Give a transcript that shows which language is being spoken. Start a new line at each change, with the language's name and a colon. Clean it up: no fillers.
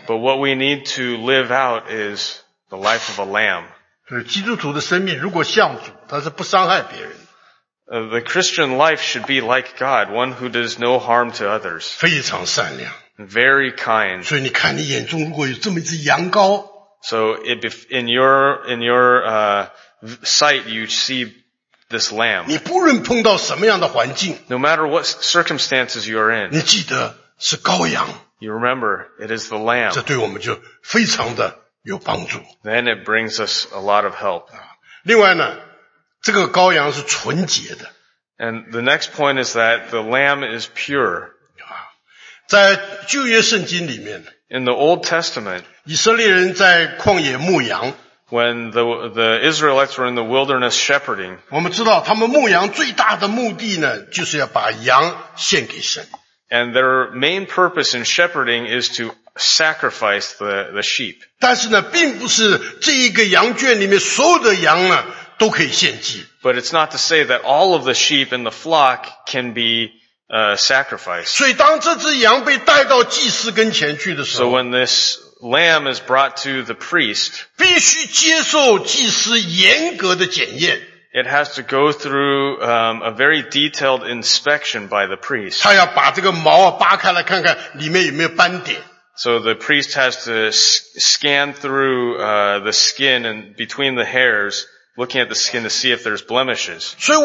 English: But what we need to live out is the life of a lamb.
Chinese: 基督徒的生命如果像主，他是不伤害别人。
English: The Christian life should be like God, one who does no harm to others.
Chinese: 非常善良。
English: Very kind.
Chinese: 所以你看，你眼中如果有这么一只羊羔。
English: So in your sight, you see this lamb.
Chinese: 你不论碰到什么样的环境。
English: No matter what circumstances you are in.
Chinese: 你记得。是羔羊。
English: You remember, it is the lamb.
Chinese: 这对我们就非常的有帮助。
English: Then it brings us a lot of help.
Chinese: 另外呢，这个羔羊是纯洁的。
English: And the next point is that the lamb is pure.
Chinese: 在旧约圣经里面。
English: In the Old Testament.
Chinese: 以色列人在旷野牧羊。
English: When the Israelites were in the wilderness shepherding,
Chinese: 我们知道他们牧羊最大的目的呢, 就是要把羊献给神。
English: And their main purpose in shepherding is to sacrifice the sheep.
Chinese: 但是呢, 并不是这一个羊圈里面所有的羊呢, 都可以献祭。
English: But it's not to say that all of the sheep in the flock can be sacrificed.
Chinese: 所以当这只羊被带到祭司跟前去的时候,
English: So when this lamb is brought to the priest,
Chinese: 必须接受祭司严格的检验。
English: It has to go through a very detailed inspection by the priest.
Chinese: 他要把这个毛扒开来看看里面有没有斑点。
English: So the priest has to scan through the skin and between the hairs, looking at the skin to see if there's blemishes.